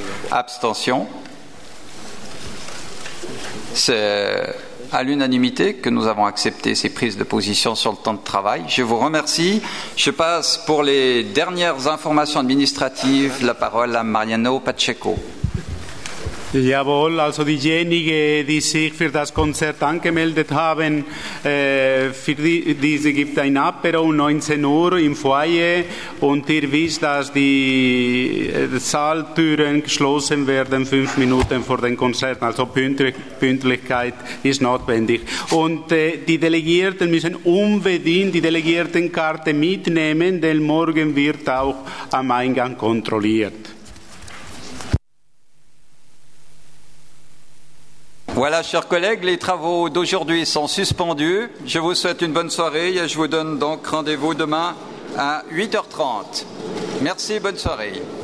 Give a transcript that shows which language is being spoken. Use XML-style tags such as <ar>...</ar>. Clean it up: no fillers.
<fr>Abstention. C'est à l'unanimité que nous avons accepté ces prises de position sur le temps de travail. Je vous remercie. Je passe pour les dernières informations administratives la parole à Mariano Pacheco.</fr> <de>Jawohl, also diejenigen, die sich für das Konzert angemeldet haben, für diese gibt ein Apero um 19 Uhr im Foyer und ihr wisst, dass die Saaltüren geschlossen werden 5 Minuten vor dem Konzert, also Pünktlichkeit ist notwendig. Und die Delegierten müssen unbedingt die Delegiertenkarte mitnehmen, denn morgen wird auch am Eingang kontrolliert.</de> <fr>Voilà, chers collègues, les travaux d'aujourd'hui sont suspendus. Je vous souhaite une bonne soirée et je vous donne donc rendez-vous demain à 8h30. Merci, bonne soirée.</fr>